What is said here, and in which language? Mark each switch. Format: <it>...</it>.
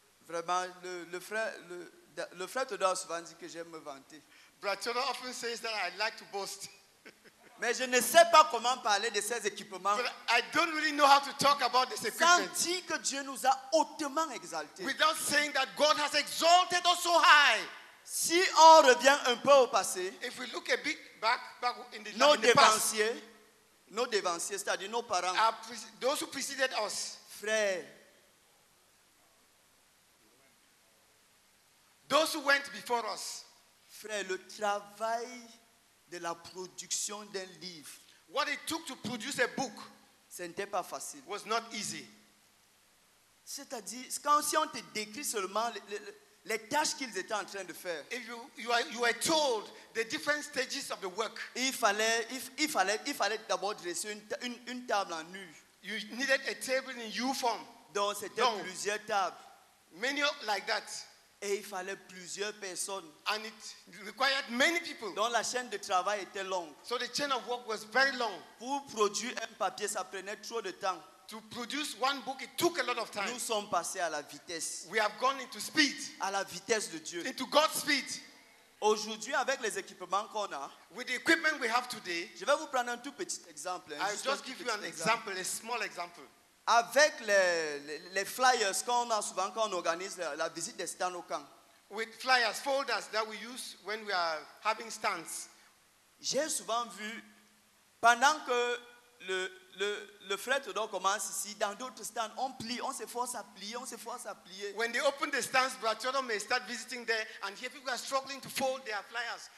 <fr>Le frère Todor souvent dit que j'aime me vanter.</fr> <en>Brother often says that I like to boast.</en> <fr>Mais je ne sais pas comment parler de ces équipements.</fr> <en>But I don't really know how to talk about this equipment.</en> <fr>Sans dire que Dieu nous a hautement exaltés.</fr> <en>Without saying that God has exalted us so high.</en> <fr>Si on revient un peu au passé,</fr> <en>if we look a bit back in the</en> <fr>nos devanciers, nos devanciers, c'est-à-dire nos parents,</fr> <en>those who preceded us,</en> <fr>frères,</fr> <en>those who went before us,</en> <fr>frères, le travail de la production d'un livre,</fr> <en>what it took to produce a book,</en> <fr>ce n'était pas facile,</fr> <en>was not easy.</en> <fr>C'est-à-dire, quand si on te décrit seulement les tâches qu'ils étaient en train de faire.</fr> <en>If you are told the different stages of the work.</en> <fr>Il fallait d'abord dresser une table en nu.</fr> <en>You needed a table in U form.</en> <fr>Donc c'était plusieurs tables.</fr> <en>Many like that.</en> <fr>Et il fallait plusieurs personnes.</fr> <en>And it required many people.</en> <fr>Donc la chaîne de travail était longue.</fr> <en>So the chain of work was very long.</en> <fr>Pour produire un papier, ça prenait trop de temps.</fr> <en>To produce one book, it took a lot of time.</en> <fr>Nous sommes passés à la vitesse.</fr> <en>We have gone into speed.</en> <fr>À la vitesse de Dieu.</fr> <en>Into God's speed.</en> <fr>Aujourd'hui, avec les équipements qu'on a,</fr> <en>with the equipment we have today,</en> <fr>je vais vous prendre un tout petit exemple.</fr> <en>I'll just give you an example, a small example.</en> <fr>Avec les flyers qu'on a souvent quand on organise la visite des stands au camp.</fr> <en>With flyers, folders that we use when we are having stands.</en> <fr>J'ai souvent vu, pendant que le fret d'or commence ici, dans d'autres stands, on plie, on s'efforce à plier, on s'efforce à plier.</fr> <en>When they open the stands, brother may start visiting there, and here people are struggling to fold their flyers.</en>